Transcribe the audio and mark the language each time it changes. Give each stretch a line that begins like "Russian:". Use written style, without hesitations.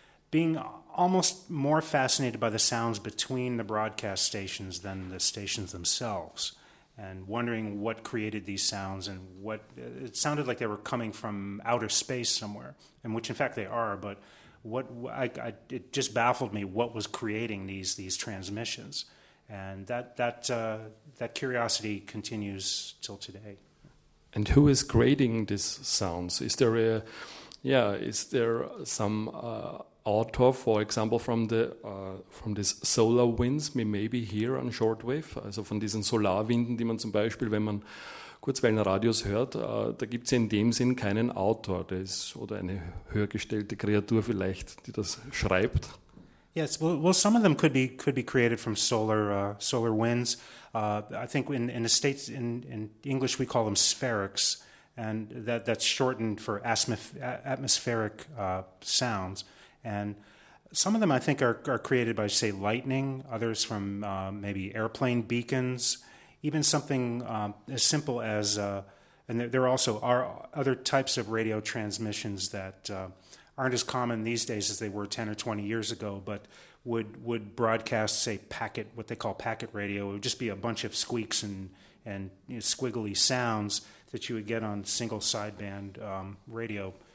English: being almost more fascinated by the sounds between the broadcast stations than the stations themselves, and wondering what created these sounds and what it sounded like they were coming from outer space somewhere, and which in fact they are, but what I it just baffled me what was creating these transmissions, and that curiosity continues till today. And who is creating these sounds? Is there some author, for example, from these solar winds, maybe here on shortwave,
German: also von diesen Solarwinden, die man zum Beispiel, wenn man Kurzwellenradios hört, da gibt es in dem Sinn keinen Autor, das, oder eine höhergestellte Kreatur vielleicht, die das schreibt.
English: Yes, well, some of them could be created from solar winds. I think in the States, in English, we call them spherics, and that's shortened for atmospheric sounds. And some of them, I think, are created by, say, lightning, others from maybe airplane beacons, even something as simple as, and there also are other types of radio transmissions that aren't as common these days as they were 10 or 20 years ago, but would broadcast, say, packet, what they call packet radio. It would just be a bunch of squeaks and you know, squiggly sounds that you would get on single sideband radio